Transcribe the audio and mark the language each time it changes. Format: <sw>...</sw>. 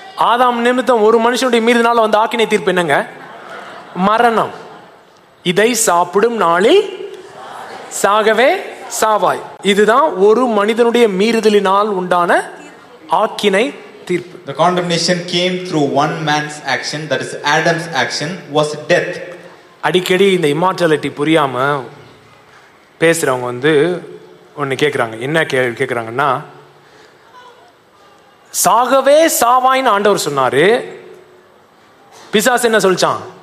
<ta>ஆதாம் நிமித்தம் ஒரு மனுஷனுடைய மீறினால வந்து ஆக்கினை தீர்ப்பு என்னங்க? மரணம். இதை சாப்பிடும் நாளில் சாகவே சாவாய். இதுதான் ஒரு மனிதனுடைய மீறுதலினால் உண்டான ஆக்கினை தீர்ப்பு.</ta> <en>The condemnation came through one man's action, that is Adam's action, was death.</en> <ta>அடிக்கடி இந்த இம்மார்டாலிட்டி புரியாம பேசுறவங்க வந்து ஒன்னு கேக்குறாங்க. என்ன கேள்வி கேக்குறாங்கன்னா, சாகவே சாவாய்னு ஆண்டவர் சொன்னாரு, பிசாசு என்ன சொல்லிச்சான்?</ta>